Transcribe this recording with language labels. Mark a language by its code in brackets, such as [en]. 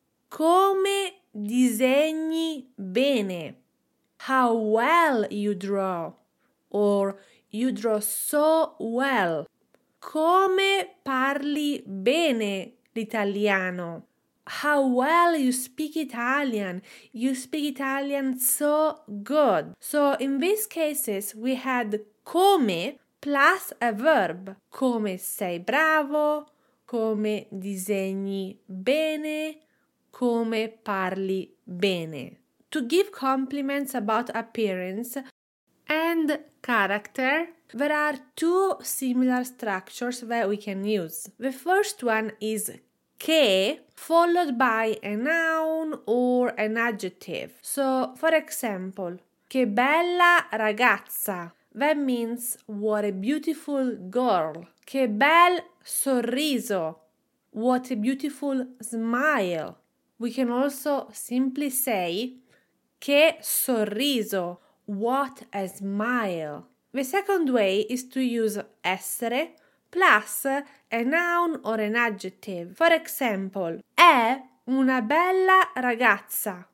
[it] Come disegni bene. [en] How well you draw. Or you draw so well. [it] Come parli bene l'italiano. [en] How well you speak Italian. You speak Italian so good. So in these cases we had come plus a verb. [it] Come sei bravo. Come disegni bene. Come parli bene. [en] To give compliments about appearance and character, there are two similar structures that we can use. The first one is che, followed by a noun or an adjective. So, for example, [it] che bella ragazza. [en] That means what a beautiful girl. [it] Che bel sorriso. [en] What a beautiful smile. We can also simply say [it] che sorriso. [en] What a smile. The second way is to use essere plus a noun or an adjective. For example, [it] è una bella ragazza.